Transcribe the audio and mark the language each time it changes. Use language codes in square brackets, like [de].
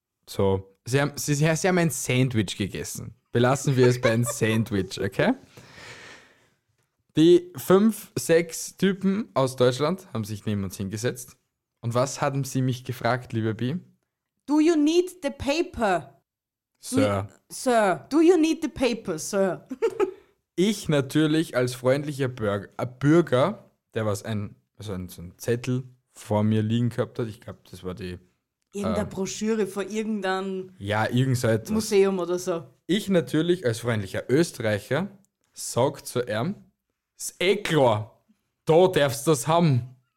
[de] So, sie haben ein Sandwich gegessen. Belassen wir es bei einem Sandwich, okay? Die 5, 6 Typen aus Deutschland haben sich neben uns hingesetzt. Und was haben sie mich gefragt, lieber B? [en] Do you need the paper? Sir. Sir, do you need the paper, sir? [de] Ich natürlich als freundlicher Bürger, der was ein Zettel vor mir liegen gehabt hat. Ich glaube, das war die... Irgendeine Broschüre vor irgendeinem... Ja, irgendein Museum oder so. Ich natürlich als freundlicher Österreicher sag zu ihm, ist eh klar, da darfst du das haben.